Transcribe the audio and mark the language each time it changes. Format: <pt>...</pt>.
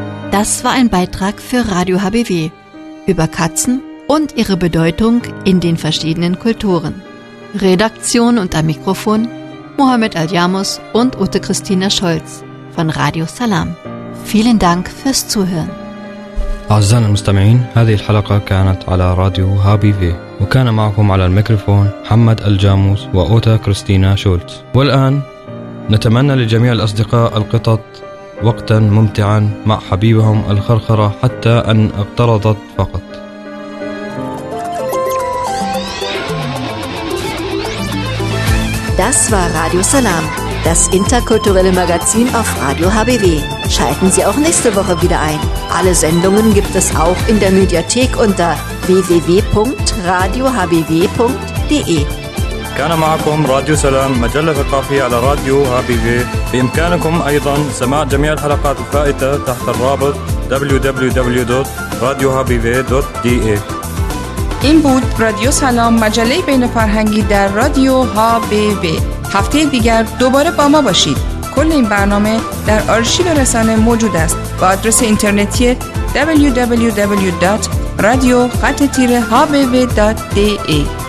<de>Das war ein Beitrag für Radio HBW über Katzen und ihre Bedeutung in den verschiedenen Kulturen. Redaktion und am Mikrofon Mohamed Al-Jamus und Ute Christina Scholz von Radio Salam. Vielen Dank fürs Zuhören.</de> <ar>أعزائي المستمعين هذه الحلقة كانت على راديو هابي في وكان معكم على الميكروفون محمد الجاموس وأوتا كريستينا شولتز والآن نتمنى لجميع الأصدقاء القطط وقتا ممتعا مع حبيبهم الخرخرة حتى أن اقترضت فقط.</ar> <de>Das war Radio Salam, das interkulturelle Magazin auf Radio HBW. Schalten Sie auch nächste Woche wieder ein. Alle Sendungen gibt es auch in der Mediathek unter www.radiohbw.de.</de> <ar>كان معكم راديو سلام مجلة ثقافية على راديو HBW. بإمكانكم أيضا سماع جميع الحلقات الفائتة تحت الرابط www.radiohbw.de.</ar> <fa>این بود رادیو سلام، مجله بین فرهنگی در رادیو HBW. هفته دیگر دوباره با ما باشید. کل این برنامه در آرشیو رسانه موجود است با آدرس اینترنتی www.radio-hbw.de.</fa>